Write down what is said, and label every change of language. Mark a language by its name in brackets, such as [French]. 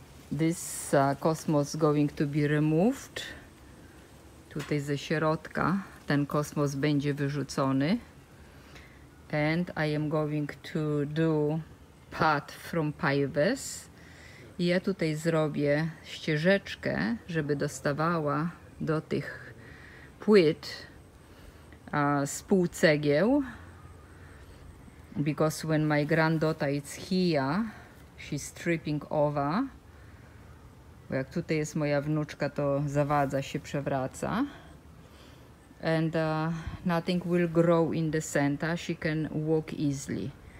[English] This kosmos going to be removed. [Polish] Tutaj ze środka ten kosmos będzie wyrzucony. [English] And I am going to do path from pives. [Polish] I ja tutaj zrobię ścieżeczkę, żeby dostawała do tych płyt z pół cegieł. [English] Because when my granddaughter is here, she's stripping over. [Polish] Bo jak tutaj jest moja wnuczka, to zawadza się, przewraca. [English] And nothing will grow in the center, she can walk easily.